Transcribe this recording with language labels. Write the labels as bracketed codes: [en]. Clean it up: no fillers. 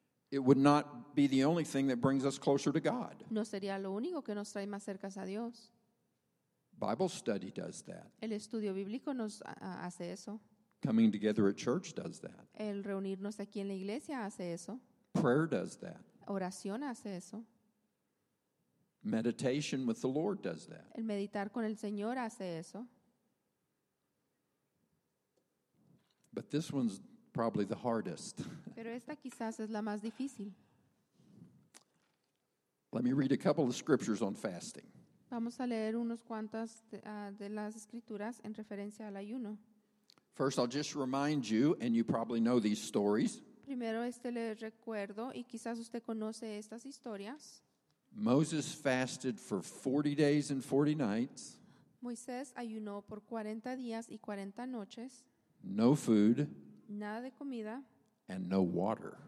[en] It would not be the only thing that brings us closer to God. [es] No sería lo único que nos trae más cerca a Dios. [en] Bible study does that. [es] El estudio bíblico nos hace eso. [en] Coming together at church does that. [es] El reunirnos aquí en la iglesia hace eso. [en] Prayer does that. [es] Oración hace eso. [en] Meditation with the Lord does that. [es] El meditar con el Señor hace eso. [en] But this one's probably the hardest. [es] Pero esta quizás es la más difícil. [en] Let me read a couple of scriptures on fasting. [es] Vamos a leer unos cuantos de las escrituras en referencia al ayuno. [en] First, I'll just remind you, and you probably know these stories. [es] Primero, le recuerdo, y quizás usted conoce estas historias. [en] Moses fasted for 40 days and 40 nights. [es] Moisés ayunó por 40 días y 40 noches. [en] No food. [es] Nada de comida. [en] And no water.